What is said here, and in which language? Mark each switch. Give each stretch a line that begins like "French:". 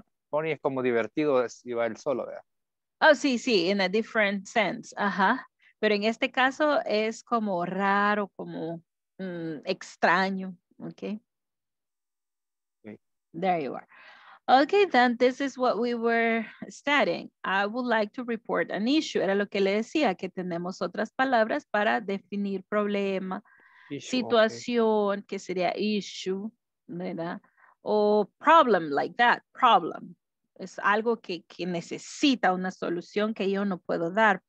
Spanish: funny es como divertido si va el solo, ¿verdad? Oh, sí, sí,
English: in a different sense. Ajá.
Spanish: Pero en este caso es como raro, como extraño.
English: Okay. There you are. Okay, then this is what we were studying. I would like to report an issue.
Spanish: Era lo que le decía, que tenemos otras palabras para definir problema, issue, situación, okay, que sería issue, ¿verdad? O problem,
English: like that, problem.
Spanish: Es algo que necesita una solución que yo no puedo dar.